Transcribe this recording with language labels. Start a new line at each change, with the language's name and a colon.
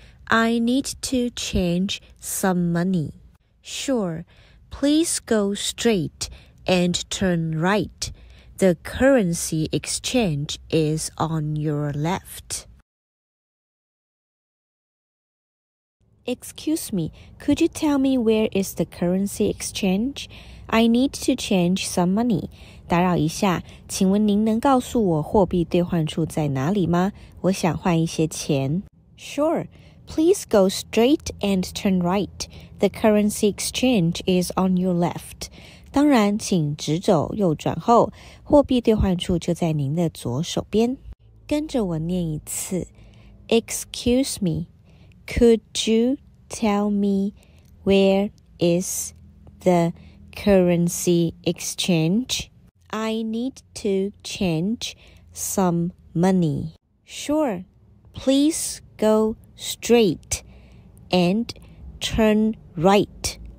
English: I need to change some money. Sure, please go straight and turn right. The currency exchange is on your left. Excuse me, could you tell me where is the currency exchange? I need to change some money.
Chinese: 打扰一下，请问您能告诉我货币兑换处在哪里吗？我想换一些钱。
English: Sure, please go straight and turn right. The currency exchange is on your left.
Chinese: 当然，请直走右转后，货币兑换处就在您的左手边。跟着我念一次。
English: Excuse me. Could you tell me where is the currency exchange? I need to change some money. Sure, please go straight and turn right.